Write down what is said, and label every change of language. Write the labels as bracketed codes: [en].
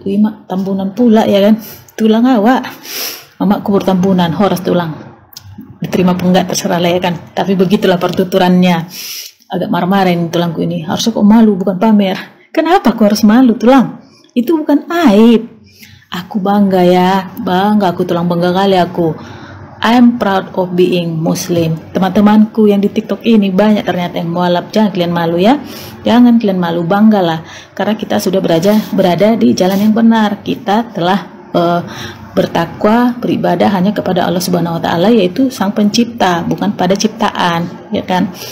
[id] Wih, mak, tambunan pula ya kan. Tulang awak. Mamak kubur tambunan, horas tulang. Diterima pun enggak, terserah lah ya kan. Tapi begitulah pertuturannya. Agak marah-marahin tulangku ini. Harusnya kau malu, bukan pamer. Kenapa aku harus malu, tulang? Itu bukan aib. Aku bangga ya, bangga aku, tulang bangga kali aku. [en] I'm proud of being Muslim. [id] Teman-temanku yang di TikTok ini banyak ternyata yang mualaf. Jangan kalian malu ya, jangan kalian malu, banggalah. Karena kita sudah berada di jalan yang benar. Kita telah bertakwa, beribadah hanya kepada Allah Subhanahu Wa Taala, yaitu Sang Pencipta, bukan pada ciptaan, ya kan?